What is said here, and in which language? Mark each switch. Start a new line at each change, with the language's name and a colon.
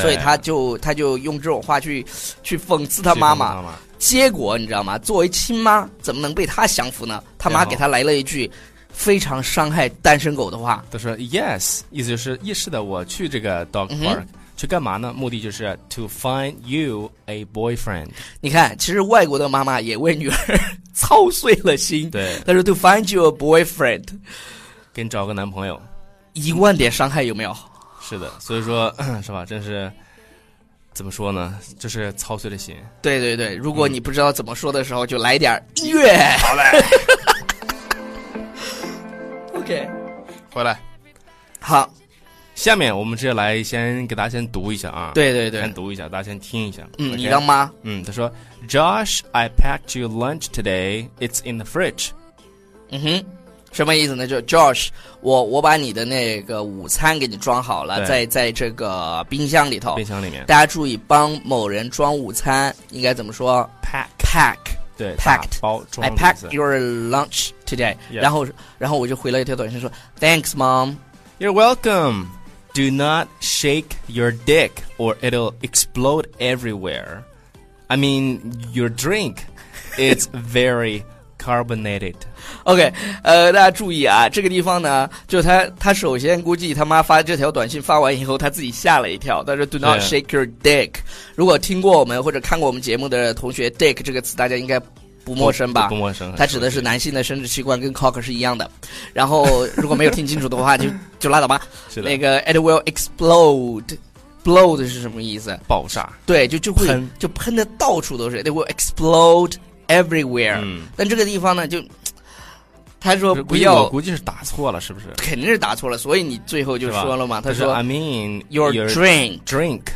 Chinese: 所以他就用这种话去讽刺他妈妈。结果你知道吗？作为亲妈，怎么能被他降服呢？他妈给他来了一句非常伤害单身狗的话，他说 yes， 意思就是意识的，我去这个 dog park，去干嘛呢？目的就是
English: to find you a boyfriend。
Chinese: 你看，其实外国的妈妈也为女儿操碎了心。对，他说
English: to find you a boyfriend，
Chinese: 给你找个男朋友，一万点伤害有没有？是的，所以说是吧？真是怎么说呢？就是操碎了心。对对对，如果你不知道怎么说的时候，就来点音乐。好嘞。 OK，回来。好，下面我们直接来先给大家先读一下啊。对对对，先读一下，大家先听一下。嗯，
English: okay？
Chinese: 你当妈。他说
English: ，Josh， I packed you lunch today. It's in the fridge。
Chinese: 嗯哼，什么意思呢？就 Josh， 我把你的那个午餐给你装好了，在这个冰箱里头。冰箱里面。大家注意，帮某人装午餐应该怎么说
English: ？Pack。 对，packed
Chinese: 包装。
English: I packed your lunch today。 Yeah。
Chinese: 然后我就回了一条短信说 ，
English: Thanks, Mom。 You're welcome. Do not shake your dick or it'll explode everywhere. I mean, your drink is very carbonated.
Chinese: OK， 大家注意啊，这个地方呢，就他首先估计他妈发这条短信发完以后，他自己吓了一跳。他说
English: "Do not shake your dick"。
Chinese: 如果听过我们或者看过我们节目的同学 ，"dick" 这个词大家应该不陌生吧？不陌生。它指的是男性的生殖器官，跟 cock 是一样的。然后如果没有听清楚的话，就拉倒吧。是的。那个
English: "it will explode"。
Chinese: "explode" 是什么意思？爆炸。对，就会喷，就喷的到处都是。
English: "It will explode everywhere"。
Chinese: 但这个地方呢，就他说不要，我估计是打错了，是不是？肯定是打错了，所以你最后就说了嘛。他说
English: "I mean your drink"，